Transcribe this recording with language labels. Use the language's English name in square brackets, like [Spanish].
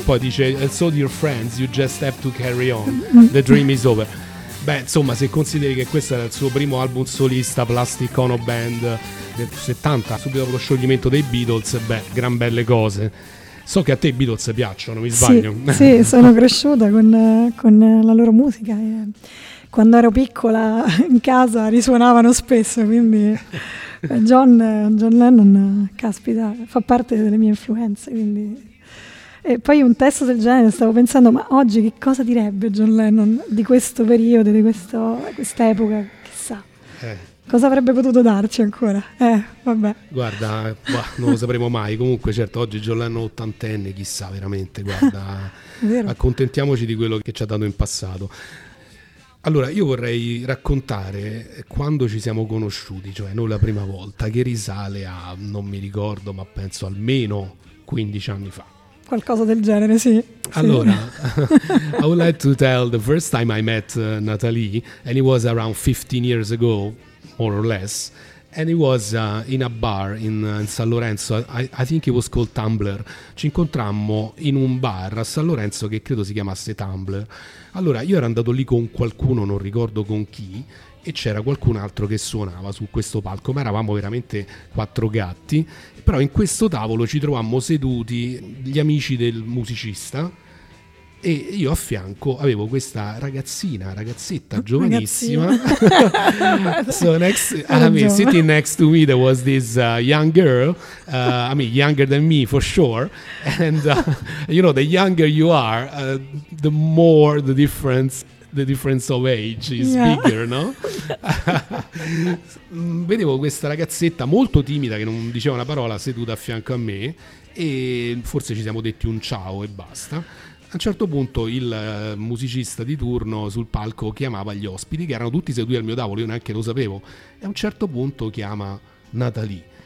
[Italian] poi dice [English] so dear friends, you just have to carry on, the dream is over. [Italian] Beh, insomma, se consideri che questo era il suo primo album solista, Plastic Ono Band, del 70, subito dopo lo scioglimento dei Beatles, beh, gran belle cose. So che a te i Beatles piacciono, mi sbaglio. Sì, sì, sono cresciuta con la loro musica. E quando ero piccola, in casa, risuonavano spesso, quindi John Lennon, caspita, fa parte delle mie influenze, quindi... E poi un testo del genere, stavo pensando, ma oggi che cosa direbbe John Lennon di questo periodo, di questa epoca, chissà. Cosa avrebbe potuto darci ancora? Vabbè. Guarda, non lo sapremo mai. Comunque, certo, oggi John Lennon ottantenne, chissà, veramente, guarda. Vero. Accontentiamoci di quello che ci ha dato in passato. Allora, io vorrei raccontare quando ci siamo conosciuti, cioè non la prima volta, che risale a, non mi ricordo, ma penso almeno 15 anni fa. Qualcosa del genere, sì. Allora, [English] I would like to tell the first time I met Nathalie, and it was around 15 years ago, more or less, and it was in a bar in San Lorenzo, I think it was called Tumblr. [Italian] Ci incontrammo in un bar a San Lorenzo che credo si chiamasse Tumblr. Allora, io ero andato lì con qualcuno, non ricordo con chi, e c'era qualcun altro che suonava su questo palco, ma eravamo veramente quattro gatti. Però in questo tavolo ci trovammo seduti gli amici del musicista e io a fianco avevo questa ragazzetta giovanissima. [English] So sitting next to me there was this young girl, younger than me for sure, and you know, the younger you are, the more the difference of age is bigger, no? [Italian] Vedevo questa ragazzetta molto timida che non diceva una parola seduta a fianco a me e forse ci siamo detti un ciao e basta. A un certo punto il musicista di turno sul palco chiamava gli ospiti che erano tutti seduti al mio tavolo, io neanche lo sapevo, e a un certo punto chiama Nathalie.